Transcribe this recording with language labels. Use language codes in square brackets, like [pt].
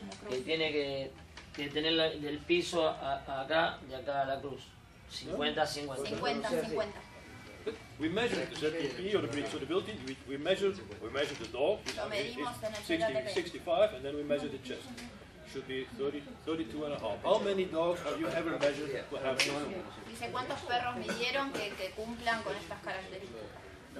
[es] Que tiene que tener del piso acá, de acá a la cruz. 50-50. 50-50. [en] We measured the ZTP or the breed suitability. We measured the dog. [es] Lo medimos en el [en] 65, and then we measured the chest. Should be 32 and a half. How many dogs have you ever measured who have this? [es] Dice cuántos perros midieron que cumplan con estas características.